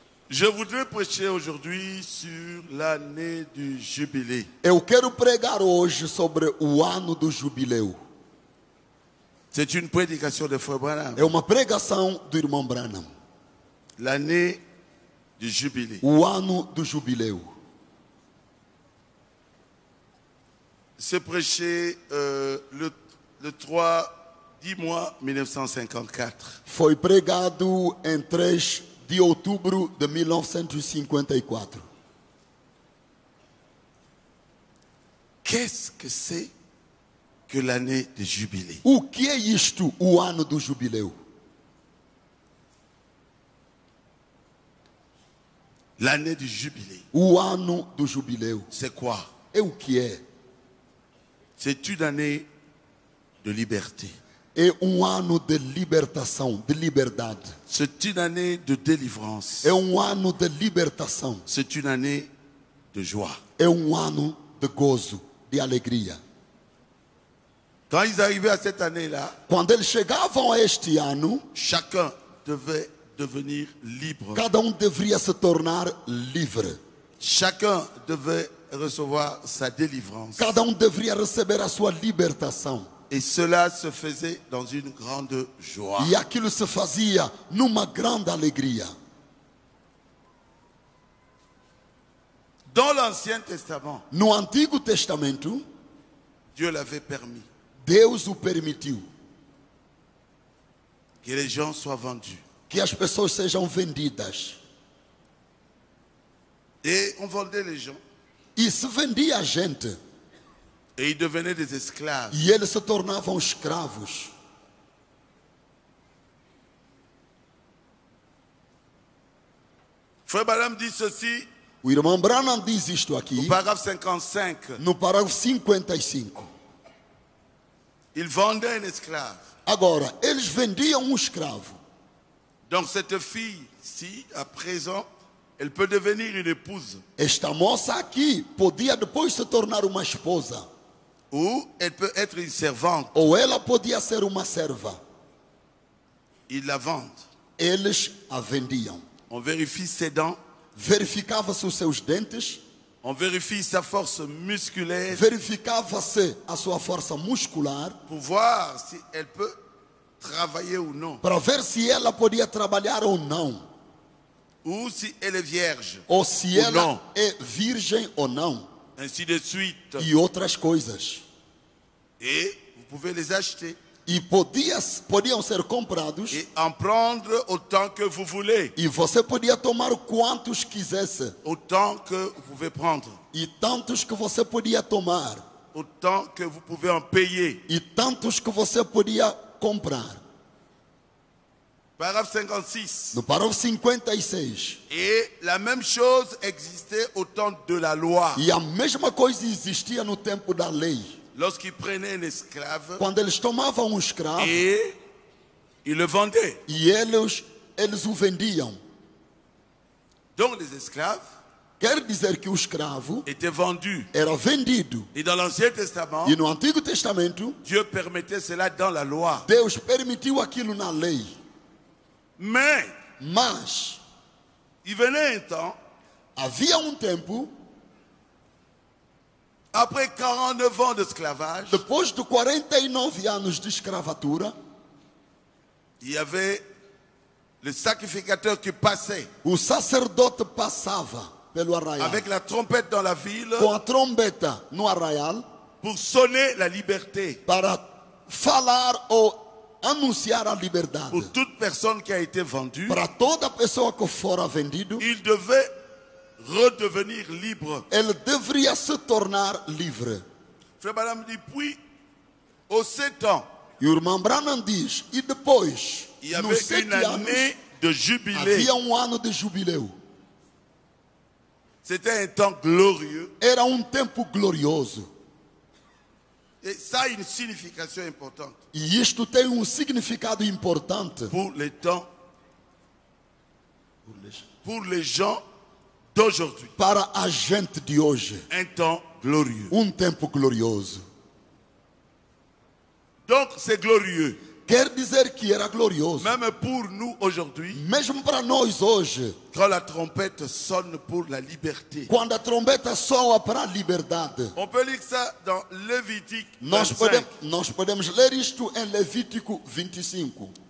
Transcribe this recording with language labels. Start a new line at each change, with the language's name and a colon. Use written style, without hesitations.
French: Je voudrais prêcher aujourd'hui sur l'année du jubilé.
Portuguese: Eu quero pregar hoje sobre o ano do jubileu.
French: C'est une prédication de Frère Branham.
Portuguese: É uma pregação do irmão Branham.
French: L'année du jubilé.
Portuguese: O ano do jubileu.
French: C'est prêché le 3 10 mois 1954.
Portuguese: Foi pregado em 3 de outubro de 1954.
French: Qu'est-ce que c'est que l'année de jubilé?
Portuguese: O que é isto, o ano do jubileu?
French: L'année du jubilé.
Portuguese: O ano do jubileu.
French: C'est quoi?
Portuguese: É o que é?
French: C'est une année de liberté.
Portuguese: É um ano de libertação, de liberdade.
French: C'est une année de délivrance.
Portuguese: É um ano de libertação.
French: C'est une année de joie.
Portuguese: É um ano de gozo, de alegria.
French: Quand ils arrivaient à cette année-là,
Portuguese: quando eles chegavam a este ano,
French: chacun devait devenir libre.
Portuguese: Cada deveria se tornar livre.
French: Chacun devait recevoir sa délivrance.
Portuguese: Cada deveria receber a sua libertação.
French: Et cela se faisait dans une grande joie.
Portuguese: E aquilo se fazia numa grande alegria.
French: Dans l'Ancien Testament.
Portuguese: No Antigo Testamento.
French: Dieu l'avait permis.
Portuguese: Deus o permitiu.
French: Que les gens soient vendus.
Portuguese: Que as pessoas sejam vendidas.
French: Et on vendait les gens.
Portuguese: Il se vendia à gente.
French: E ils devenaient des esclaves.
Portuguese: E eles se tornavam escravos.
French: Frère Branham dit ceci.
Portuguese: O irmão Branham diz isto aqui. No parágrafo 55. No parágrafo 55.
French: Ils vendaient un esclave.
Portuguese: Agora, eles vendiam um escravo.
French: Donc cette fille, si à présent, elle peut devenir une épouse.
Portuguese: Esta moça aqui podia depois se tornar uma esposa.
French: Ou elle peut être une servante.
Portuguese: Ou ela podia ser uma serva.
French: Ils la vendent.
Portuguese: Eles a vendiam.
French: On vérifie ses dents.
Portuguese: Verificava-se os seus dentes.
French: On vérifie sa force musculaire.
Portuguese: Verificava-se a sua força muscular.
French: Pour voir si elle peut travailler ou non.
Portuguese: Para ver se ela podia trabalhar ou não.
French: Ou si elle est vierge.
Portuguese: Ou se ela é virgem ou não.
French: Ainsi de suite.
Portuguese: E outras coisas.
French: Et vous pouvez les acheter.
Portuguese: E podiam ser comprados.
French: Et en prendre autant que vous voulez.
Portuguese: E você podia tomar quantos quisesse.
French: Autant que vous pouvez prendre.
Portuguese: E tantos que você podia tomar.
French: Autant que vous pouvez en payer.
Portuguese: E tantos que você podia comprar. Parágrafo 56. No parágrafo 56.
French: Et la même chose existait au temps de la loi.
Portuguese: E a mesma coisa existia no tempo da lei.
French: Lorsqu'ils prenaient un esclave,
Portuguese: quando eles tomavam um escravo,
French: et ils le vendaient.
Portuguese: E eles o vendiam.
French: Donc les esclaves,
Portuguese: quer dizer que o escravo
French: était vendu.
Portuguese: Era vendido.
French: Et dans l'Ancien Testament,
Portuguese: e no Antigo Testamento,
French: Dieu permettait cela dans la loi.
Portuguese: Deus permitiu aquilo na lei.
French: Mas, il venait un temps,
Portuguese: havia tempo.
French: Après 49 ans d'esclavage,
Portuguese: depois de 49 anos de escravatura,
French: il y avait le sacrificateur qui passait.
Portuguese: O sacerdote passava pelo arraial.
French: Avec la trompette dans la ville.
Portuguese: Com a trombeta no arraial.
French: Pour sonner la liberté.
Portuguese: Para falar ou anunciar a liberdade.
French: Pour toute personne qui a été vendue.
Portuguese: Para toda pessoa que fora vendido.
French: Il devait redevenir libre.
Portuguese: Ele deveria se tornar livre.
French: Frère Branham dit, puis, aux 7 ans,
Portuguese: e o irmão Branham diz, e depois, nos 7 anos,
French: de jubilé.
Portuguese: Havia ano de jubileu.
French: C'était un temps glorieux.
Portuguese: Era tempo glorioso.
French: Et ça a une signification importante.
Portuguese: E isto tem significado importante.
French: Pour les temps, pour les gens d'aujourd'hui.
Portuguese: Para a gente de hoje.
French: Un temps glorieux.
Portuguese: Tempo glorioso.
French: Donc c'est glorieux.
Portuguese: Quer dizer que era glorioso.
French: Même pour nous aujourd'hui.
Portuguese: Mesmo para nós hoje.
French: Quand la trompette sonne pour la liberté.
Portuguese: Quando a trombeta soa para a liberdade.
French: On peut lire ça dans Lévitique.
Portuguese: Nós podemos ler isto em Levítico 25.